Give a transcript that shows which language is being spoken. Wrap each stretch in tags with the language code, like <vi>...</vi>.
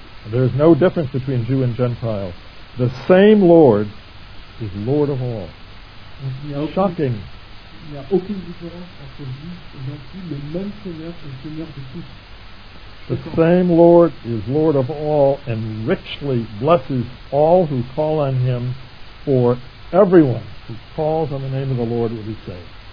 <en>There is no difference between Jew and Gentile. The same Lord is Lord of all. Shocking.</en> <fr>Il n'y a aucune différence entre Jew et Gentile. Le même Seigneur est le Seigneur de tous.</fr> <en>The same Lord is Lord of all and richly blesses all who call on him, for everyone who calls on the name of the Lord will be saved.</en>